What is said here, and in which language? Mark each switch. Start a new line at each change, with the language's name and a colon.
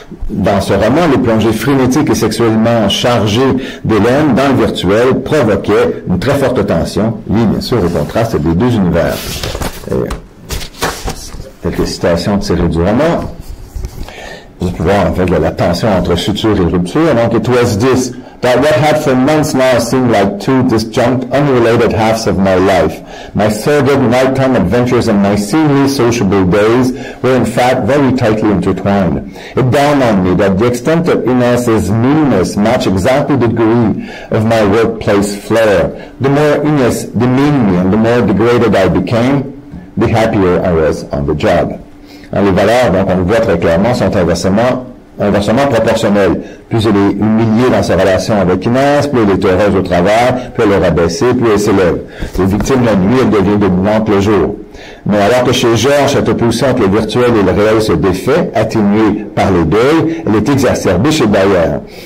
French: Dans ce roman, les plongées frénétiques et sexuellement chargées d'Hélène dans le virtuel provoquaient une très forte tension, liée, bien sûr, au contraste des deux univers. Et quelques citations tirées du roman. Vous pouvez voir, en fait, la tension entre suture et rupture.
English: Donc, it was this, that what had for months now seemed like two disjunct, unrelated halves of my life. My sordid nighttime adventures and my seemingly sociable days were, in fact, very tightly intertwined. It dawned on me that the extent of Inès's meanness matched exactly the degree of my workplace flair. The more Inès demeaned me and the more degraded I became, the happier I was on the job.
French: Les valeurs, donc, on le voit très clairement, sont inversement proportionnelles. Plus elle est humiliée dans sa relation avec Inès, plus elle est heureuse au travail, plus elle est rabaissée, plus elle s'élève. Les victimes de la nuit, elle devient dominante le jour. Mais alors que chez Georges, cette opposition entre le virtuel et le réel se défait, atténuée par les deuils, elle est exacerbée chez Bayer.